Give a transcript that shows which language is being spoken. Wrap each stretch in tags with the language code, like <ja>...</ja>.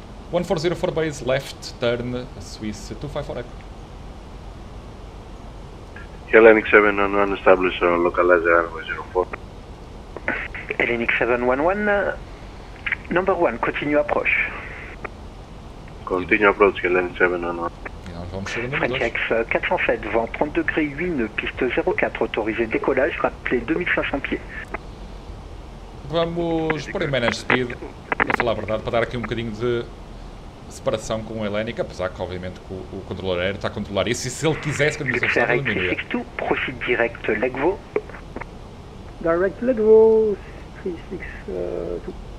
<en>140 for base, left turn, Swiss 254 Echo. Hellenic 711, establish localizer 04. Hellenic 711. Number one, continue approach. Continue approach, LN 7-1-1.</en> <fr>French X 407, vent 30 degrés 8, piste 04, autorisé décollage, rappelé 2500 pieds.</fr> <pt>Vamos por em manage speed, para falar a verdade, para dar aqui um bocadinho de separação com o Hellenic, apesar que obviamente o controlador aéreo está a controlar isso, e se ele quisesse, quando nos afastasse, ele diminuiria.</pt> <en>Direct 362, proceed direct Legvo. Direct Legvo, 362.</en>